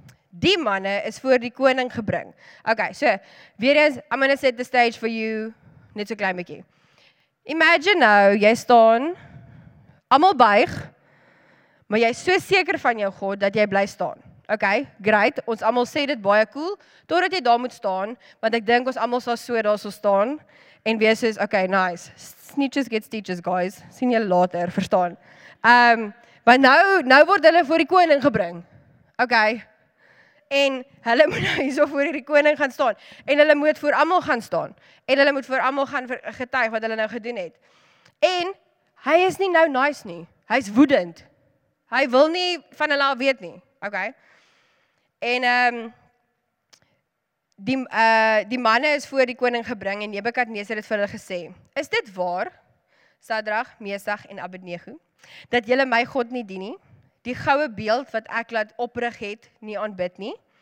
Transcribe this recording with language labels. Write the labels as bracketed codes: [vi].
[af] Die manne is voor die koning gebring. [en] Okay, so, [af] weer eens, [en] I'm going to set the stage for you, [af] net so klein bietjie. Imagine nou, jy staan, allemaal buig, maar jy is so seker van jou God, dat jy bly staan. Okay, great, ons allemaal sê dit baie cool, totdat jy daar moet staan, want ek dink ons allemaal sal so daar sal staan, en wees soos, okay, nice, [en] snitches get stitches, guys, [af] sien jy later, verstaan. Maar nou word hulle voor die koning gebring. OK. En hulle moet nou hierso voor die koning gaan staan. En hulle moet voor almal gaan staan. En hulle moet voor almal gaan getuig wat hulle nou gedoen het. En hy is nie nou nice nie. Hy is woedend. Hy wil nie van hulle al weet nie. OK. En die manne is voor die koning gebring en Nebukadneser het vir hulle gesê: "Is dit waar, Sadrag, Mesag en Abednego, dat julle my God nie dien nie, die goue beeld wat ek laat oprig het, nie aanbid nie?